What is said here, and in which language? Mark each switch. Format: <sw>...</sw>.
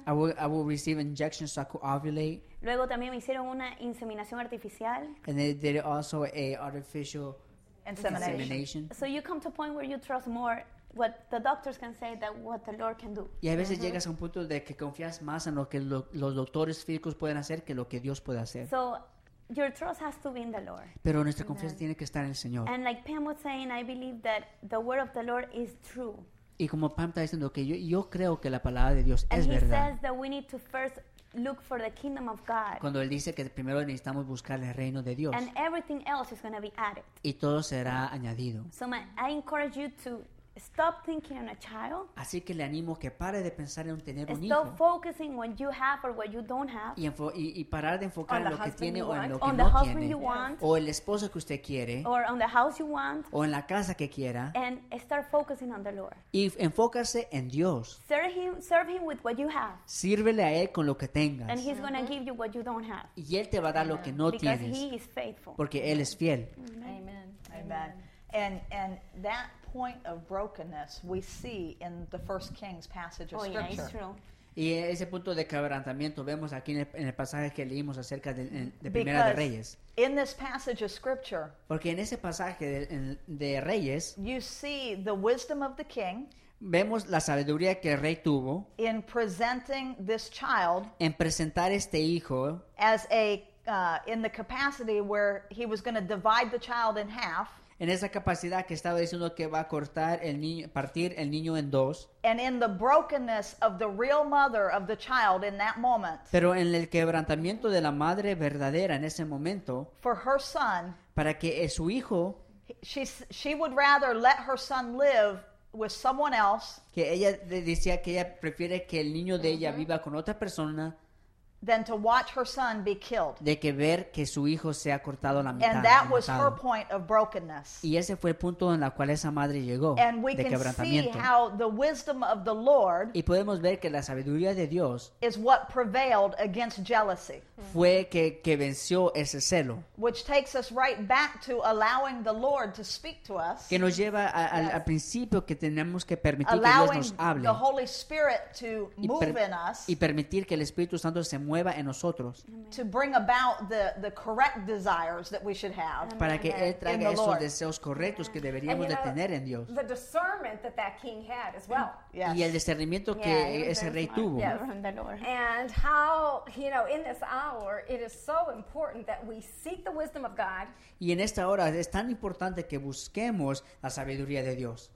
<en>I will receive injections so I could ovulate.</en> <es>Luego también me hicieron una inseminación artificial.</es> <en>And they did also a artificial insemination. So you come to a point where you trust more what the doctors can say than what the Lord can do.</en> <es>Y a veces llegas a un punto de que confías más en lo que los doctores físicos pueden hacer que lo que Dios puede hacer.</es> <en>So your trust has to be in the Lord.</en> <es>Pero nuestra confianza tiene que estar en el Señor.</es> <en>And like Pam was saying, I believe that the word of the Lord is true.</en> <es>Y como Pam está diciendo que yo creo que la palabra de Dios es verdad.</es> <en>And he says that we need to first look for the kingdom of God.</en> <es>Cuando él dice que primero necesitamos buscar el reino de Dios.</es> <en>And everything else is going to be added.</en> <es>Y todo será añadido.</es> <en>So I encourage you to stop thinking on a child.</en> <es>Así que le animo que pare de pensar en tener un hijo.</es> <en>Stop focusing what you have or what you don't have.</en> <es>Y parar de enfocar en lo que tiene o en lo que no tiene.</es> <en>On the husband you want.</en> <es>O el esposo que usted quiere.</es> <en>Or on the house you want.</en> <es>O en la casa que quiera.</es> <en>And start focusing on the Lord.</en> <es>Y enfócase en Dios.</es> <en>Serve him with what you have.</en> <es>Sírvele a él con lo que tengas.</es> <en>And he's going to give you what you don't have.</en> <es>Y él te va a dar lo que no tienes.</es> <en>Because he is faithful.</en> <es>Porque él es fiel.</es> <en>Amen. And that point of brokenness we see in the First Kings passage of scripture.</en> <es>Y ese punto de quebrantamiento vemos aquí en el pasaje que leímos acerca de Primera de Reyes.</es> <en>In this passage of scripture,</en> <es>porque en ese pasaje de Reyes,</es> <en>you see the wisdom of the king.</en> <es>Vemos la sabiduría que el rey tuvo</es> <en>in presenting this child</en> <es>en presentar este hijo</es> <en>as a in the capacity where he was going to divide the child in half.</en> <es>En esa capacidad que estaba diciendo que va a cortar el niño, partir el niño en dos.</es> <en>And in the brokenness of the real mother of the child in that moment.</en> <es>Pero en el quebrantamiento de la madre verdadera en ese momento.</es> <en>For her son.</en> <es>Para que su hijo.</es> <en>She would rather let her son live with someone else.</en> <es>Que ella decía que ella prefiere que el niño de ella viva con otra persona.</es> <en>Than to watch her son be killed.</en> <es>De que ver que su hijo sea cortado la mitad.</es> <en>And that was her point of brokenness.</en> <es>Y ese fue el punto en la cual esa madre llegó.</es> <en>And we can see how the wisdom of the Lord.</en> <es>Y podemos ver que la sabiduría de Dios.</es> <en>Is what prevailed against jealousy.</en> <es>Fue que venció ese celo.</es> <en>Which takes us right back to allowing the Lord to speak to us.</en> <es>Que nos lleva al principio que tenemos que permitir</es> <en>allowing</en> <es>que Dios nos hable.</es> <en>The Holy Spirit to move in us.</en> <es>Y permitir que el Espíritu Santo se mueva en nosotros.</es> <en>Amen. To bring about the correct desires that we should have. Amen.</en> <es>Para que él traiga esos deseos correctos que deberíamos de tener en Dios.</es> <en>The discernment that king had as well.</en> <es>Y el discernimiento que ese rey tuvo.</es> <en>And how, in this hour it is so important that we seek the wisdom of God.</en> <es>Y en esta hora es tan importante que busquemos la sabiduría de Dios.</es>